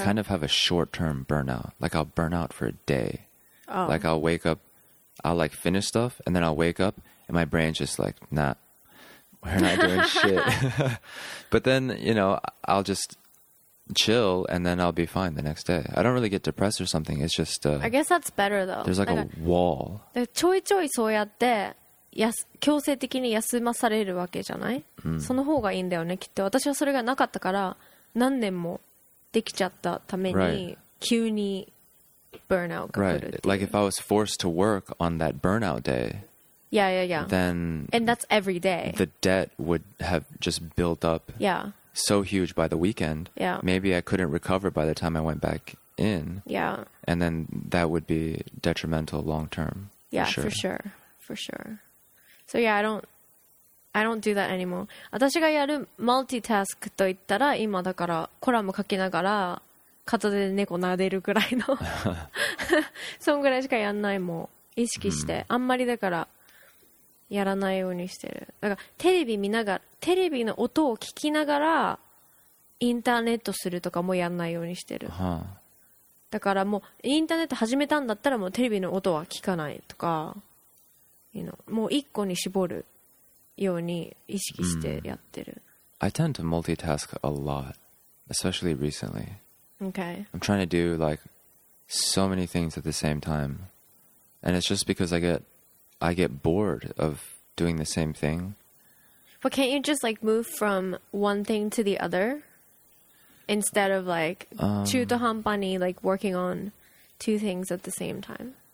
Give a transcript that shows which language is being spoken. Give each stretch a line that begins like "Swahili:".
English: I kind of have a short-term burnout. Like I'll burn out for a day. Oh. Like I'll wake up, I'll like finish stuff, and then I'll wake up, and my brain's just like, nah, we're not doing shit. But then, you know, I'll just chill and then I'll be fine the next day. I don't really get depressed or something. It's just I guess that's better though. There's like a wall.
Japanese: ちょいちょいそうやって強制的に休まされるわけじゃない、うん、その方がいいんだよねきっと。私はそれがなかったから何年もできちゃったために、
English: right.
Japanese: 急に burnout が来る。
English: Right. Like if I was forced to work on that burnout day. Yeah, yeah, yeah. Then and that's every day. The debt would have just built up. Yeah. So huge by the weekend. Yeah. Maybe I couldn't recover by the time I went back in. Yeah. And then that would be detrimental long term. Yeah, for sure. For sure. For sure. So yeah, I don't do that anymore.
Japanese: 私がやるマルチタスクといったら今だからコラム書きながら片手で猫撫でるぐらいのそんぐらいしかやんないもん。意識して、mm. あんまりだからやらないようにしてる。だからテレビ見ながら、テレビの音を聞きながらインターネットするとかもやんないようにしてる。
English: Huh.
Japanese: だからもうインターネット始めたんだったらもうテレビの音は聞かないとか、
English: you know,
Japanese: もう一個に絞るように意識してやってる。
English: Mm. I tend to multitask a lot, especially recently. Okay. I'm trying to do like so many things at the same time, and it's just because I get bored of doing the same thing. But can't you just like move from one thing to the other instead of like
Japanese: 中途半端に
English: like working on two things at the same time?